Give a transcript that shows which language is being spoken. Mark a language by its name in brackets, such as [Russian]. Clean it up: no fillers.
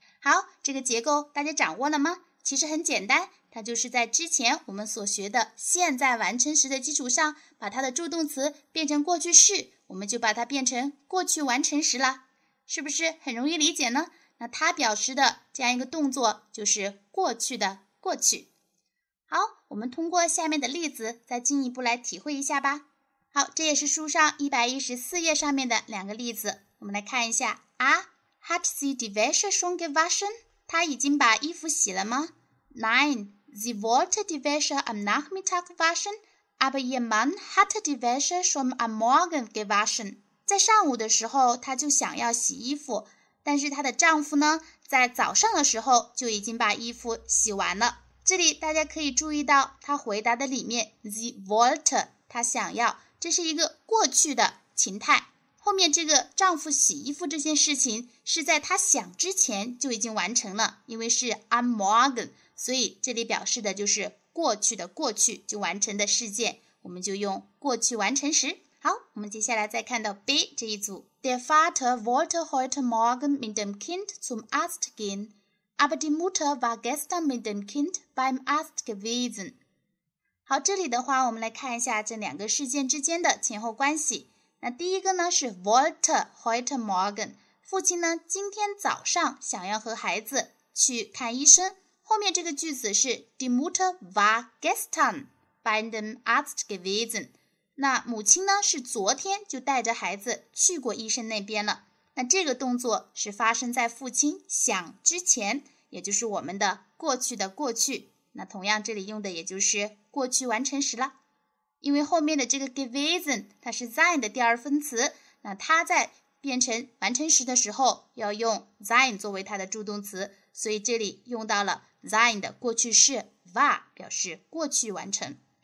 [Chinese] 好，这个结构大家掌握了吗？其实很简单，它就是在之前我们所学的现在完成时的基础上把它的助动词变成过去式，我们就把它变成过去完成时了，是不是很容易理解呢？那它表示的这样一个动作就是过去的过去。好，我们通过下面的例子再进一步来体会一下吧。好，这也是书上114页上面的两个例子，我们来看一下。 A. [German] Hat sie die Wäsche schon gewaschen? [Chinese] 她已经把衣服洗了吗？ [German] Nein, sie wollte die Wäsche am Nachmittag waschen, aber ihr Mann hatte die Wäsche schon am Morgen gewaschen. [Chinese] 在上午的时候她就想要洗衣服，但是她的丈夫呢在早上的时候就已经把衣服洗完了。这里大家可以注意到她回答的里面 [German] sie wollte [Chinese] 他想要，这是一个过去的情态，后面这个丈夫洗衣服这件事情是在他想之前就已经完成了，因为是 [German] am morgen， [Chinese] 所以这里表示的就是过去的过去就完成的事件，我们就用过去完成时。好，我们接下来再看到 B 这一组。 [German] Der Vater wollte heute Morgen mit dem Kind zum Arzt gehen, aber die Mutter war gestern mit dem Kind beim Arzt gewesen. [Chinese] 好，这里的话我们来看一下这两个事件之间的前后关系。那第一个呢是 [German] wollte heute morgen， [Chinese] 父亲呢今天早上想要和孩子去看医生，后后面这个句子是 [German] Die Mutter war gestern bei dem Arzt gewesen。 [Chinese] 那母亲呢是昨天就带着孩子去过医生那边了。那这个动作是发生在父亲想之前，也就是我们的过去的过去。那同样这里用的也就是过去完成时了。因为后面的这个 gewesen 它是 sein 的第二分词，那它在变成完成时的时候要用 sein 作为它的助动词，所以这里用到了 sein 的过去式 war 表示过去完成。